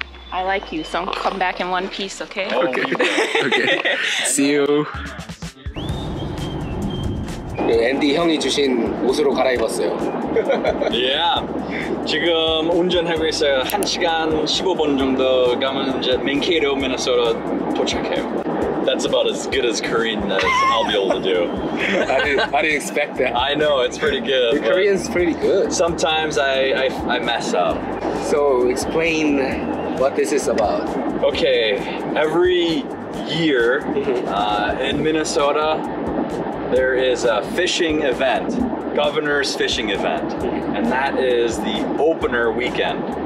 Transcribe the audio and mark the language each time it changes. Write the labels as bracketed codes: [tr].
[en] I like you, so come back in one piece, okay? Okay. Okay. See you. [ko] 앤디 형이 주신 옷으로 갈아입었어요. Yeah. 지금 운전하고 있어요. 1시간 15분 정도 가면 이제 맨케이로 미네소타 도착해요. [en] That's about as good as Korean as I'll be able to do. I didn't expect that. I know, it's pretty good. Korean's pretty good. Sometimes I mess up. So explain what this is about. Okay, every year in Minnesota, there is a fishing event, Governor's Fishing Event, and that is the opener weekend.